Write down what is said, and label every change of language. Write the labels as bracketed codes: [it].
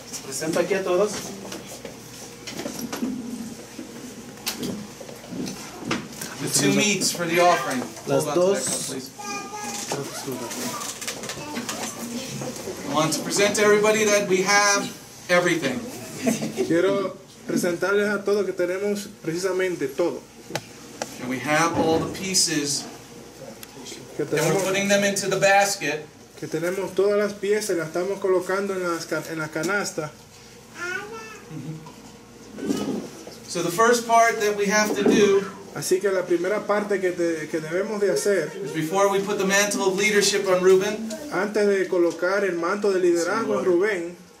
[es] Presento aquí a todos. [en] The two meats for the offering. [es] Las dos. [en] I want to present to everybody that we have everything. [es] Quiero presentarles a todos que tenemos precisamente todo. [en] And we have all the pieces. [es] Que tenemos, [en] and we're putting them into the basket. [es] Que tenemos todas las piezas, las estamos colocando en la canasta. [en] So the first part that we have to do. [es] Así que la primera parte que debemos de hacer [en] is before we put the mantle of leadership on Reuben, [es] antes de colocar el manto de liderazgo en Rubén,